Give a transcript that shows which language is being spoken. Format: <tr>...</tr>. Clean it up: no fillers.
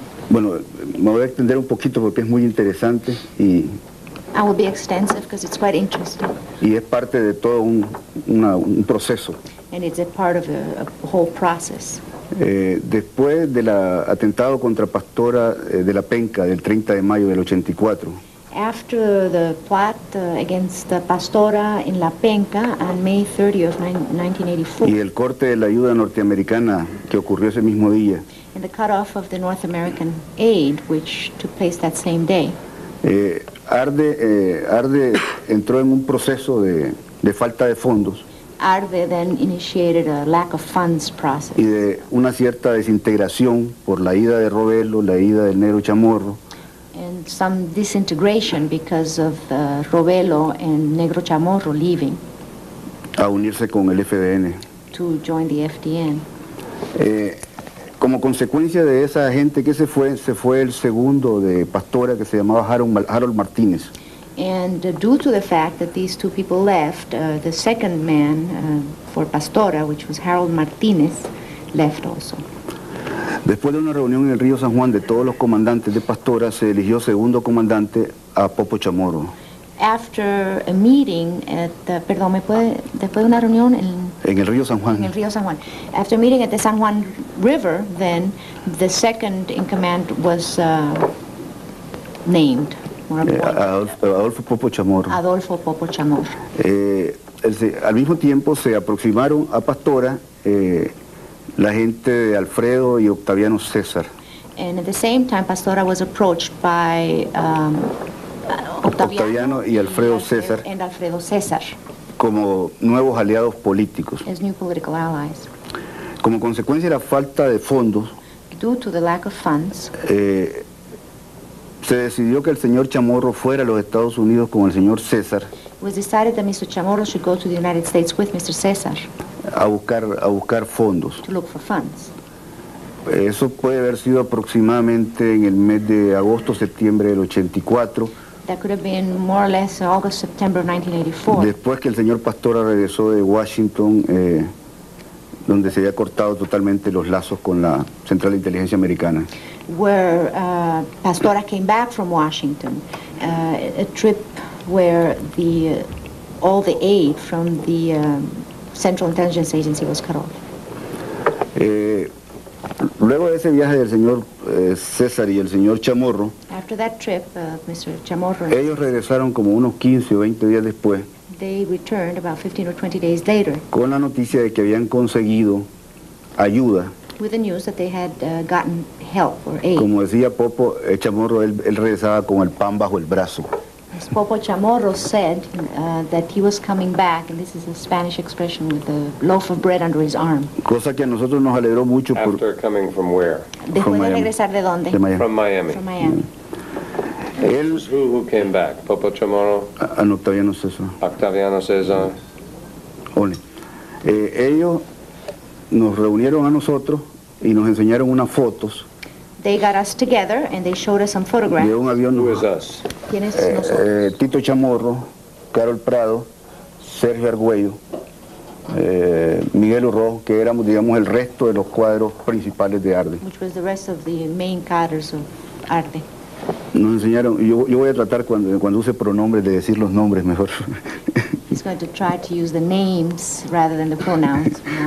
<es>Bueno, me voy a extender un poquito porque es muy interesante y.</es> <en>I will be extensive because it's quite interesting.</en> <es>Y es parte de todo un proceso.</es> <en>And it's a part of a whole process.</en> <es>Después del atentado contra Pastora de la Penca del 30 de mayo del 84.</es> <en>After the plot against Pastora in La Penca on May 30 of 1984.</en> <es>Y el corte de la ayuda norteamericana que ocurrió ese mismo día.</es> <en>And the cutoff of the North American aid, which took place that same day.</en> <es>ARDE entró en un proceso de falta de fondos.</es> <en>ARDE then initiated a lack of funds process.</en> <es>Y de una cierta desintegración por la ida de Robelo, la ida del Negro Chamorro.</es> <en>And some disintegration because of Robelo and Negro Chamorro leaving.</en> <es>A unirse con el FDN.</es> <en>To join the FDN.</en> <es>Como consecuencia de esa gente que se fue el segundo de Pastora que se llamaba Harold Martínez.</es> <en>And due to the fact that these two people left, the second man for Pastora, which was Harold Martínez, left also.</en> <es>Después de una reunión en el río San Juan de todos los comandantes de Pastora, se eligió segundo comandante a Popo Chamorro.</es> <en>After a meeting at the,</en> <es>perdón, me puede, después de una reunión en. En el río San Juan. En el río San Juan.</es> <en>After a meeting at the San Juan River, then, the second in command was named. Adolfo Popo Chamorro. Adolfo Popo Chamorro.</en> <es>Al mismo tiempo se aproximaron a Pastora la gente de Alfredo y Octaviano César.</es> <en>And at the same time, Pastora was approached by</en> <es>Octaviano y Alfredo César.</es> <en>And Alfredo César.</en> <es>Como nuevos aliados políticos.</es> <en>As new political allies.</en> <es>Como consecuencia de la falta de fondos.</es> <en>Due to the lack of funds.</en> <es>Se decidió que el señor Chamorro fuera a los Estados Unidos con el señor César.</es> <en>It was decided that Mr. Chamorro should go to the United States with Mr. César.</en> <es>A buscar fondos.</es> <en>To look for funds.</en> <es>Eso puede haber sido aproximadamente en el mes de agosto, septiembre del 84.</es> <en>That could have been more or less August, September of 1984.</en> <es>Después que el señor Pastora regresó de Washington, donde se había cortado totalmente los lazos con la Central de Inteligencia Americana.</es> <en>Where Pastora came back from Washington, a trip where the all the aid from the Central Intelligence Agency was cut off.</en> <es>Luego de ese viaje del señor César y el señor Chamorro,</es> <en>after that trip, Mr. Chamorro,</en> <es>ellos regresaron como unos 15 o 20 días después.</es> <en>They returned about 15 or 20 days later.</en> <es>Con la noticia de que habían conseguido ayuda.</es> <en>With the news that they had gotten help or aid.</en> <es>Como decía Popo, el Chamorro, él regresaba con el pan bajo el brazo.</es> <en>As Popo Chamorro said that he was coming back, and this is a Spanish expression, with a loaf of bread under his arm.</en> <es>Cosa que a nosotros nos alegró mucho.</es> <en>After</en> <es>por</es> <en>coming from where?</en> <es>Después de regresar de dónde? De Miami.</es> <en>From Miami. From Miami. Yeah. El, who came back? Popo Chamorro?</en> <es>Octaviano César. Octaviano César.</es> <en>Only.</en> <es>Ellos nos reunieron a nosotros y nos enseñaron unas fotos.</es> <en>They got us together and they showed us some photographs.</en> <es>De un avión.</es> <en>Who is us?</en> <es>Tito Chamorro, Carol Prado, Sergio Argüello, Miguel Urro, que éramos, digamos, el resto de los cuadros principales de ARDE.</es> <en>Which was the rest of the main cadres of ARDE.</en> <es>Nos enseñaron, yo voy a tratar cuando use pronombres de decir los nombres mejor.</es> <en>He's going to try to use the names rather than the pronouns.</en>